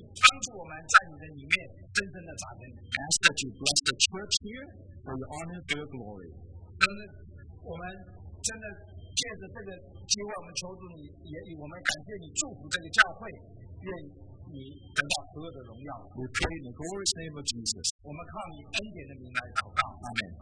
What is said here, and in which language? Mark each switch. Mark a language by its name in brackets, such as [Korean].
[Chinese] 每天当我们在思想你的话，读你的话，默想你的说，求你帮助我们在你的里面真正的扎根。 [English] Ask that you bless the church here for your honor and your glory. [Chinese] 我们真的借着这个机会，我们求主你，也我们感谢你祝福这个教会，愿。 [English] We pray in the glorious name of Jesus.